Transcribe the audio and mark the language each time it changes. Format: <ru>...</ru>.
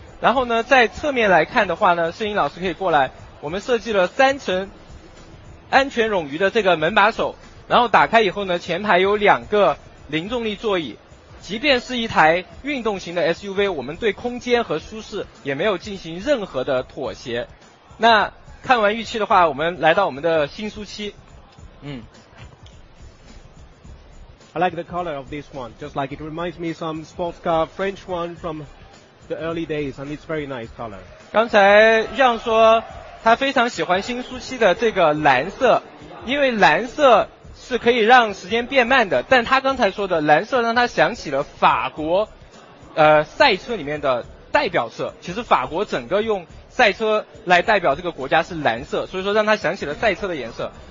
<zh>然后呢，在侧面来看的话呢，摄影老师可以过来，我们设计了三层安全冗余的这个门把手，然后打开以后呢，前排有两个零重力座椅，即便是一台运动型的 SUV， 我们对空间和舒适也没有进行任何的妥协。那看完预期的话，我们来到我们的新苏七。</zh> <en>I like the color of this one, just like it reminds me some sports car, French one from the early days, and it's very nice color.</en> <zh>刚才让说他非常喜欢新苏七的这个蓝色，因为蓝色是可以让时间变慢的，但他刚才说的蓝色让他想起了法国赛车里面的代表色，其实法国整个用赛车来代表这个国家是蓝色，所以说让他想起了赛车的颜色。</zh>